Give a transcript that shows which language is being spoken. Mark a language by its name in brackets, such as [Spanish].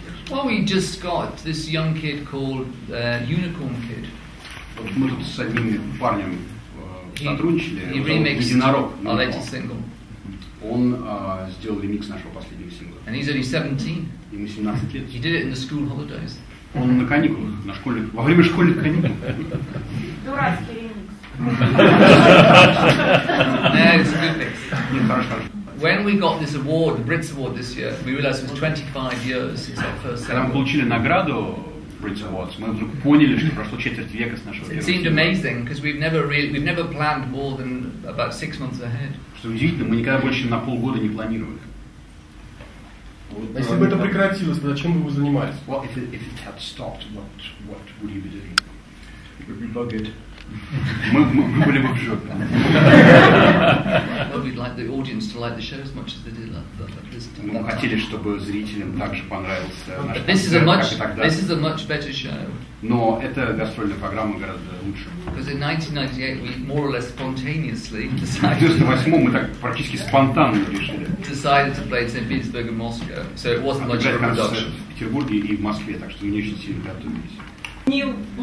[English] Well, we just got this young kid called Unicorn Kid. [Russian] Мы тут с одним парнем сотрудничали, он ремикс «Единорог». [English] Our latest single. [Russian] Он сделал ремикс нашего последнего сингла. [English] And he's only 17. [Russian] Ему 17 лет. [English] He did it in the school holidays. [Russian] Он на каникулах, на школьных, во время школьных каникул. Дурацкий ремикс. [English] It's a good mix. When we got this award, the Brits Award this year, we realized it was 25 years since our first single. [Russian] Когда мы получили награду Brits Awards, мы вдруг поняли, что прошло четверть века с нашего. [English] It seemed amazing because we've never planned more than about 6 months ahead. [Russian] Что удивительно, мы никогда больше на полгода не планировали. Если бы это прекратилось, то чем бы вы занимались? [English] Well, if it had stopped, what would you be doing? We'd be buggered. [Russian] Мы были бы в жопе. [English] Well, we'd like the audience to like the show as much as they did this time. [Russian] Мы хотели, чтобы зрителям также понравился наш концерт. [English] This is a much better show. [Russian] Но эта гастрольная программа гораздо лучше. [English] Because in 1998 we more or less spontaneously decided. [Russian] В 1998 мы так практически спонтанно решили. [English] Decided to play in St. Petersburg and Moscow, so it wasn't much of a production. [Russian] В Петербурге и в Москве, так что мы не очень сильно готовились.